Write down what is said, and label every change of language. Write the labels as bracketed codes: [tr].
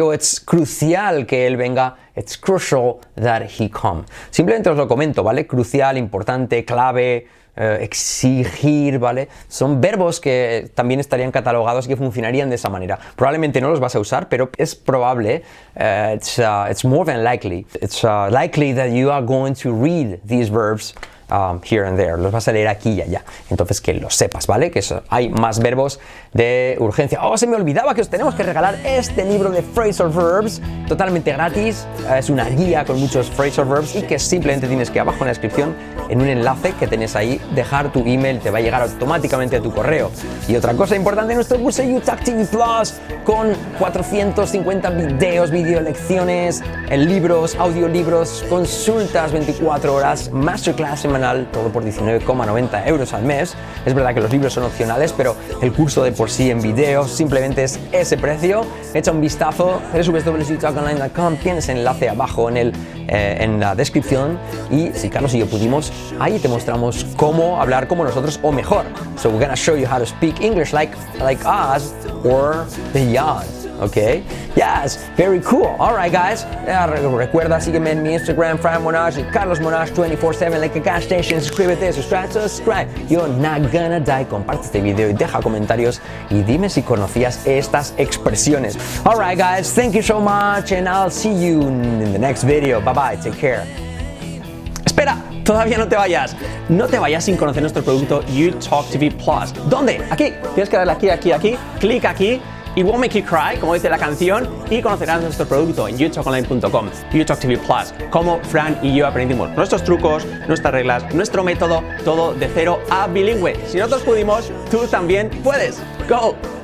[es] O es crucial que él venga. [en] It's crucial that he come. [es] Simplemente os lo comento, ¿vale? Crucial, importante, clave, exigir, ¿vale? Son verbos que también estarían catalogados y que funcionarían de esa manera. Probablemente no los vas a usar, pero es probable. [en] It's more than likely. It's likely that you are going to read these verbs here and there. [es] Los vas a leer aquí y allá. Entonces que lo sepas, ¿vale? Que eso, hay más verbos de urgencia. ¡Oh, se me olvidaba que os tenemos que regalar este libro de Phrasal Verbs! Totalmente gratis. Es una guía con muchos Phrasal Verbs y que simplemente tienes que abajo en la descripción, en un enlace que tenés ahí, dejar tu email, te va a llegar automáticamente a tu correo. Y otra cosa importante, nuestro curso UTAC TV Plus con 450 videos, videolecciones, libros, audiolibros, consultas 24 horas, masterclass en semanal, todo por 19,90 euros al mes. Es verdad que los libros son opcionales, pero el curso de por sí en video simplemente es ese precio. Echa un vistazo, www.talkonline.com, tienes enlace abajo en la descripción. Y si Carlos y yo pudimos, ahí te mostramos cómo hablar como nosotros, o mejor. [en] So we're gonna show you how to speak English like us or beyond. Okay. Yes. Very cool. All right, guys. [es] Recuerda, sígueme en mi Instagram, [en] Fran Monash, Carlos Monash 24/7, like a gas station. Subscribe. You're not gonna die. [es] Comparte este video y deja comentarios y dime si conocías estas expresiones. [en] All right, guys. Thank you so much, and I'll see you in the next video. Bye bye. Take care. [es] Espera. Todavía no te vayas. No te vayas sin conocer nuestro producto YouTalkTV Plus. ¿Dónde? Aquí. Tienes que darle aquí. Clic aquí. [en] It won't make you cry, [es] como dice la canción, y conocerás nuestro producto en youtalkonline.com, YouTalkTV Plus, cómo Fran y yo aprendimos nuestros trucos, nuestras reglas, nuestro método, todo de cero a bilingüe. Si nosotros pudimos, tú también puedes. ¡Go!